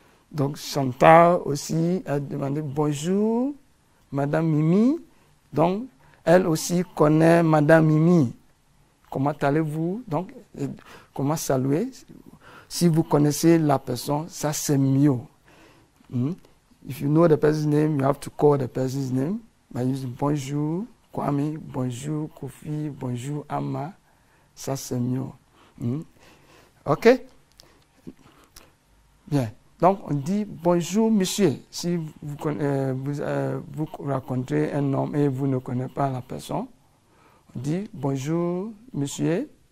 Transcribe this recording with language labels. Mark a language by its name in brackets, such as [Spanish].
[French] Donc Chantal aussi a demandé bonjour, Madame Mimi. Donc elle aussi connaît Madame Mimi. Comment allez-vous? Donc comment saluer? Si vous connaissez la personne, ça c'est mieux. [English] If you know the person's name, you have to call the person's name. By using [French] bonjour, Kwame, bonjour, Kofi, bonjour, Amma, ça c'est mieux. OK. Bien. Donc, on dit bonjour, monsieur. Si vous, vous rencontrez un homme et vous ne connaissez pas la personne, on dit bonjour, monsieur.